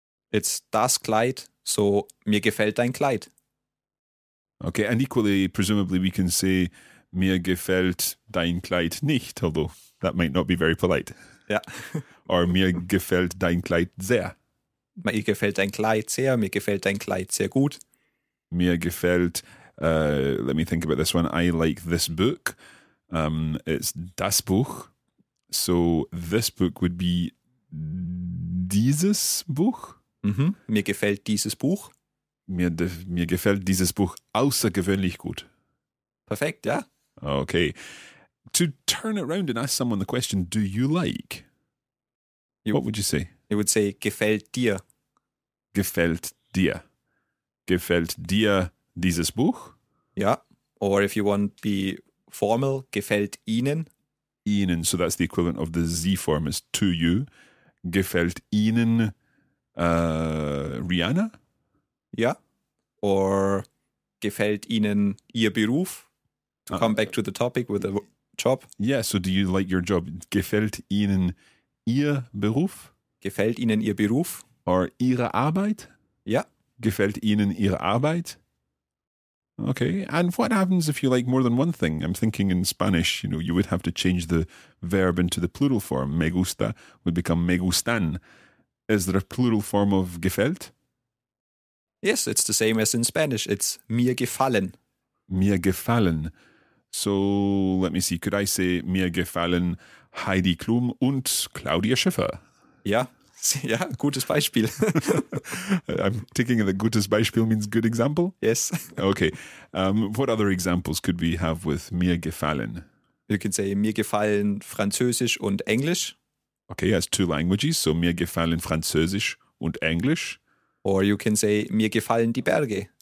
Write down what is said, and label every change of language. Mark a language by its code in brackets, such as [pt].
[en] It's [de] das Kleid, so mir gefällt dein Kleid. [en] Okay, and equally, presumably, we can say [de] mir gefällt dein Kleid nicht, [en] although that might not be very polite. Yeah. Or [de] mir gefällt dein Kleid sehr. Mir gefällt dein Kleid sehr, mir gefällt dein Kleid sehr gut. Mir gefällt, [en] let me think about this one, I like this book. It's [de] das Buch. [en] So this book would be [de] dieses Buch? Mm-hmm. Mir gefällt dieses Buch. Mir gefällt dieses Buch außergewöhnlich gut. Perfekt, ja. [en] Okay. To turn it around and ask someone the question, do you like? What would you say? You would say, [de] gefällt dir. Gefällt dir. Gefällt dir dieses Buch? Ja. [en] Or if you want to be formal, [de] gefällt Ihnen. [en] Ihnen, so that's the equivalent of the Z form is to you. [de] Gefällt Ihnen Rihanna? Ja. [en] Or [de] gefällt Ihnen Ihr Beruf? [en] To come back to the topic with the job. Yeah, so do you like your job? [de] Gefällt Ihnen Ihr Beruf? Gefällt Ihnen Ihr Beruf? [en] Or [de] Ihre Arbeit? Ja. Gefällt Ihnen Ihre Arbeit? [en] Okay, and what happens if you like more than one thing? I'm thinking in Spanish, you know, you would have to change the verb into the plural form. [es] Me gusta [en] would become [es] me gustan. [en] Is there a plural form of gefällt? Yes, it's the same as in Spanish. It's [de] mir gefallen. Mir gefallen. [en] So, let me see. Could I say [de] mir gefallen Heidi Klum und Claudia Schiffer? Ja, gutes Beispiel. [en] I'm thinking that [de] gutes Beispiel [en] means good example? Yes. Okay. What other examples could we have with [de] mir gefallen? [en] You can say [de] mir gefallen Französisch und Englisch. [en] Okay, as two languages. So, [de] mir gefallen Französisch und Englisch. [en] Or you can say [de] mir gefallen die Berge.